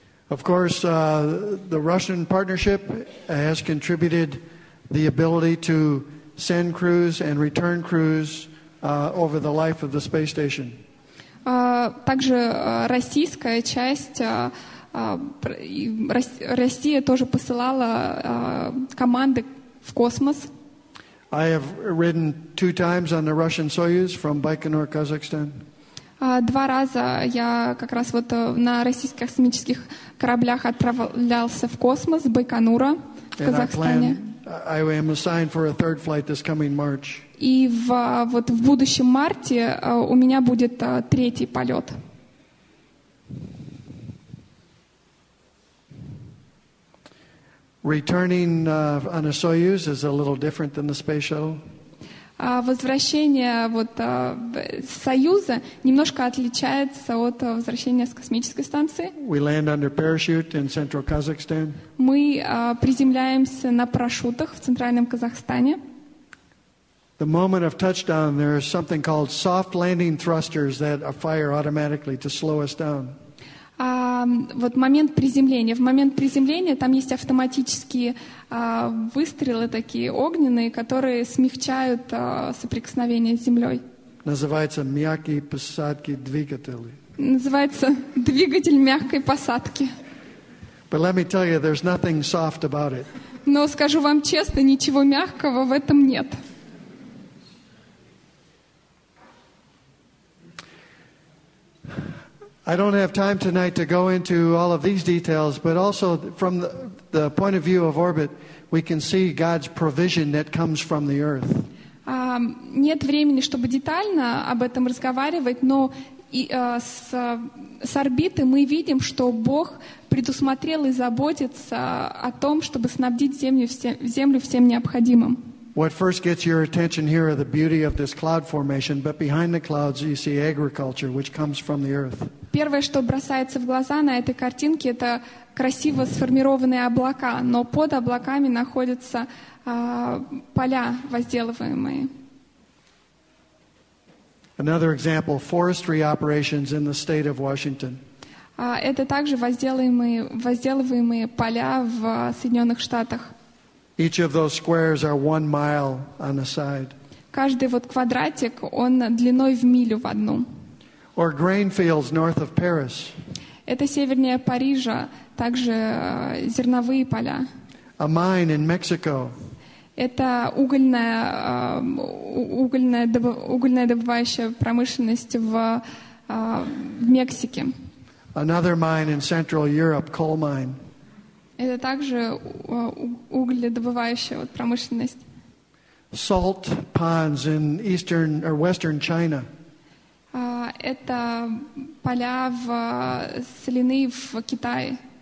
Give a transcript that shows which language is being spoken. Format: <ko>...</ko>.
<en>Of course, the Russian partnership has contributed the ability to send crews and return crews over the life of the space station.</en> <ru>Также российская часть Россия тоже посылала команды в космос.</ru> <en>I have ridden two times on the Russian Soyuz from Baikonur, Kazakhstan.</en> <ru>Два раза я как раз вот на российских космических кораблях отправлялся в космос, с Байконура, в Казахстане.</ru> <en>I am assigned for a third flight this coming March.</en> <ru>И вот в будущем марте у меня будет третий полет.</ru> <en>Returning on a Soyuz is a little different than the space shuttle.</en> <ru>возвращение вот, Союза немножко отличается от возвращения с космической станции.</ru> <en>We land under parachute in central Kazakhstan.</en> <ru>Мы приземляемся на парашютах в центральном Казахстане.</ru> <en>The moment of touchdown, there is something called soft landing thrusters that fire automatically to slow us down.</en> <ru>Вот момент приземления. В момент приземления там есть автоматические выстрелы такие огненные, которые смягчают соприкосновение с землей. Называется мягкие посадки двигателей. Называется двигатель мягкой посадки.</ru> <en>But let me tell you, there's nothing soft about it.</en> <ru>Но скажу вам честно, ничего мягкого в этом нет.</ru> <en>I don't have time tonight to go into all of these details, but also from the point of view of orbit, we can see God's provision that comes from the earth.</en> <ru>Нет времени, чтобы детально об этом разговаривать, но с орбиты мы видим, что Бог предусмотрел и заботится о том, чтобы снабдить Землю всем необходимым.</ru> <en>What first gets your attention here are the beauty of this cloud formation, but behind the clouds you see agriculture, which comes from the earth.</en> <ru>Первое, что бросается в глаза на этой картинке, это красиво сформированные облака, но под облаками находятся поля возделываемые.</ru> <en>Another example, forestry operations in the state of Washington.</en> <ru>Это также возделываемые поля в Соединенных Штатах.</ru> <en>Each of those squares are 1 mile on a side.</en> <ru>Каждый вот квадратик, он длиной в милю в одну.</ru> <en>Or grain fields north of Paris.</en> <ru>Это севернее Парижа, также зерновые поля.</ru> <en>A mine in Mexico.</en> <ru>Это угольная добывающая промышленность в Мексике.</ru> <en>Another mine in Central Europe, coal mine.</en> <ru>Это также угледобывающая вот промышленность.</ru> <en>Salt ponds in eastern or western China.</en> <ru>Это поля в соляные в Китае.</ru>